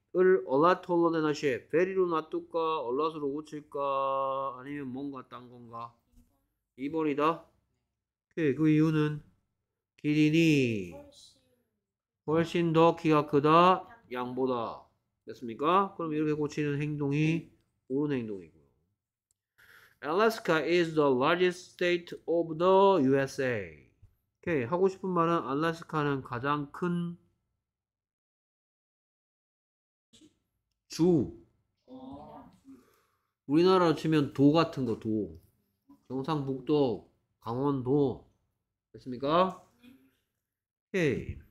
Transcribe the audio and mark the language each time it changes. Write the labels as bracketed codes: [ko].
[en] A lot taller than a sheep. Very로 [ko] 놔둘까? [en] A lot으로 [ko] 고칠까? 아니면 뭔가 딴 건가? 2번이다. 오케이. 그 이유는 기린이 훨씬 더 키가 크다. 양보다. 됐습니까? 그럼 이렇게 고치는 행동이 옳은 행동이고요. [en] Alaska is the largest state of the USA. [ko] 오케이. 하고 싶은 말은 알래스카는 가장 큰 주. 우리나라로 치면 도 같은 거. 도. 경상북도, 강원도. 됐습니까? 오케이.